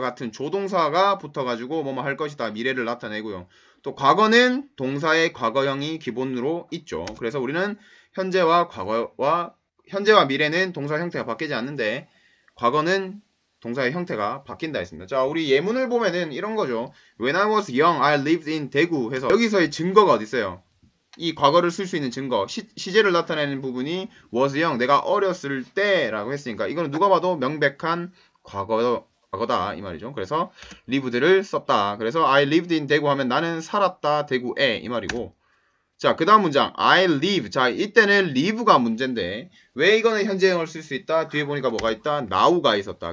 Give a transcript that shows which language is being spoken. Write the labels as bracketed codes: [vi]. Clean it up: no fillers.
[ko] 같은 조동사가 붙어가지고 뭐뭐 할 것이다, 미래를 나타내고요. 또 과거는 동사의 과거형이 기본으로 있죠. 그래서 우리는 현재와 과거와 현재와 미래는 동사 형태가 바뀌지 않는데 과거는 동사의 형태가 바뀐다 했습니다. 자, 우리 예문을 보면은 이런 거죠. [en] When I was young, I lived in 대구 [ko] 해서 여기서의 증거가 어디 있어요? 이 과거를 쓸 수 있는 증거, 시제를 나타내는 부분이 was young, 내가 어렸을 때라고 했으니까 이거는 누가 봐도 명백한 과거다 이 말이죠. 그래서 lived를 썼다. 그래서 [en] I lived in [ko] 대구 하면 나는 살았다 대구에 이 말이고. 자, 그 다음 문장 [en] I live. [ko] 자, 이때는 live가 문제인데 왜 이거는 현재형을 쓸 수 있다? 뒤에 보니까 뭐가 있다? now가 있었다.